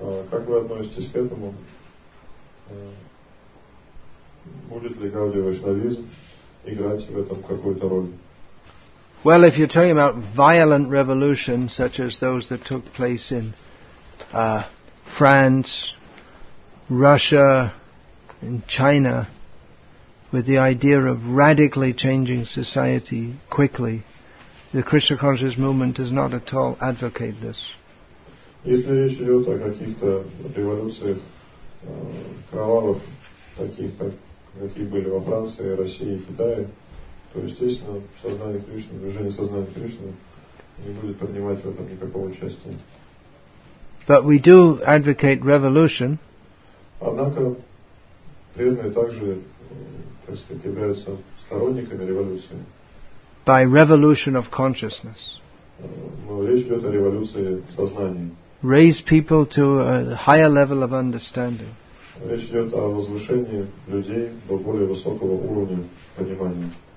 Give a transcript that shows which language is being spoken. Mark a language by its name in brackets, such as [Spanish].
[Russian] Как вы относитесь к этому? Будет ли Гаудия Вайшнавизм играть в этом какую-то роль? [English] Well, if you're talking about violent revolutions, such as those that took place in France, Russia, and China, with the idea of radically changing society quickly, the Krishna Consciousness Movement does not at all advocate this. [Russian] Если речь идет о каких-то революциях кровавых, таких как какие были во Франции, России, Китае, то естественно сознание Кришны, движение сознания Кришны не будет принимать в этом никакого участия. [English] But we do advocate revolution. [Russian] Однако преданные также, так сказать, являются сторонниками революции. [English] By revolution of consciousness. [Russian] Но речь идет о революции сознания. [English] Raise people to a higher level of understanding. [Russian] Речь идет о возвышении людей до более высокого уровня понимания.